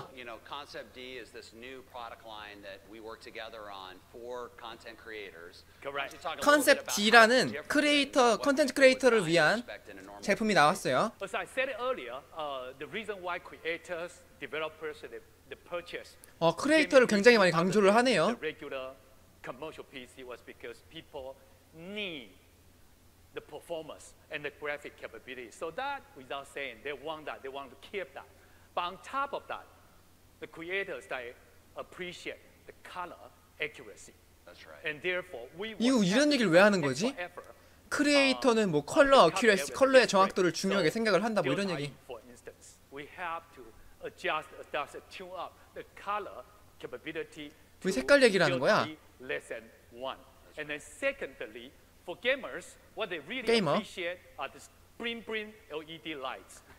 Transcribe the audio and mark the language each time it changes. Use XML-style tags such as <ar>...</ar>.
<en>So, you know, Concept D is this new product line that we work together on for content creators. Correct.</en> <ko>Concept D라는 크리에이터, 콘텐츠 크리에이터를 위한 제품이 나왔어요.</ko> <en>As I said earlier, the reason why creators, developers, the purchase.</en> <ko>크리에이터를 굉장히 많이 강조를 하네요.</ko> <en>The regular commercial PC was because people need the performance and the graphic capability. So that, without saying, they want that, they want to keep that. But on top of that, the creators they appreciate the color accuracy. That's right. And therefore, we.</en> <ko>이런 얘기를 왜 하는 거지? 크리에이터는 뭐 컬러 accuracy, 컬러의 정확도를 중요하게 생각을 한다. 뭐 이런 얘기.</ko> <en>For instance, we have to adjust, tune up the color capability.</en> <ko>우리 색깔 얘기라는 거야.</ko> <en>Less than one. And then secondly, for gamers, what they really appreciate are the bling bling LED lights.</en>